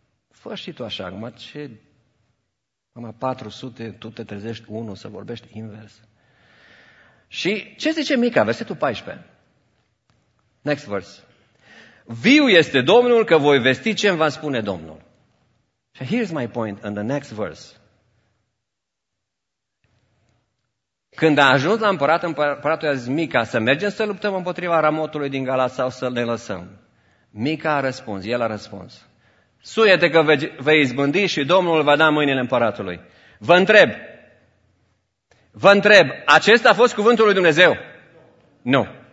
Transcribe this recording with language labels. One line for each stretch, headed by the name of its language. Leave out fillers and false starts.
Romanian: Fă și tu așa, mă, ce... Mă, 400, tu te trezești unul să vorbești invers. Și ce zice Micaia, versetul 14?
English: Next verse.
Romanian: Viu este Domnul, că voi vesti ce îmi va spune Domnul.
English: So here's my point in the next verse.
Romanian: Când a ajuns la împărat, împăratul i-a zis, Mica, să mergem să luptăm împotriva Ramotului din Galat sau să ne lăsăm? Mica a răspuns, el a răspuns. Suie-te că vei izbândi și Domnul va da mâinile împăratului. Vă întreb, acesta a fost cuvântul lui Dumnezeu? Nu.